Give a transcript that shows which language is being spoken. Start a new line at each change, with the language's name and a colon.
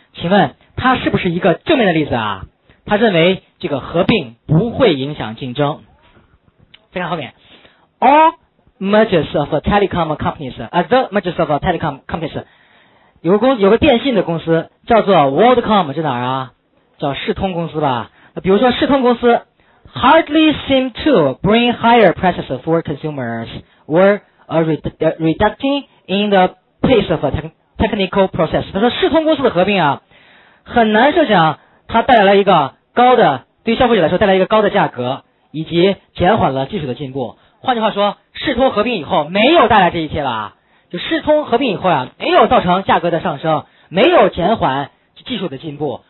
Chinese: 请问他是不是一个正面的例子啊？他认为这个合并不会影响竞争。再看后面 ，
English: All mergers of telecom companies，
Chinese: 有个电信的公司叫做 Worldcom， 是哪儿啊？叫世通公司吧？比如说世通公司
English: hardly seem to bring higher prices for consumers or a reduction in the pace of technical process。
Chinese: 他说世通公司的合并啊，很难设想它带来了一个高的，对于消费者来说带来一个高的价格，以及减缓了技术的进步。换句话说，世通合并以后没有带来这一切了，就世通合并以后啊，没有造成价格的上升，没有减缓技术的进步。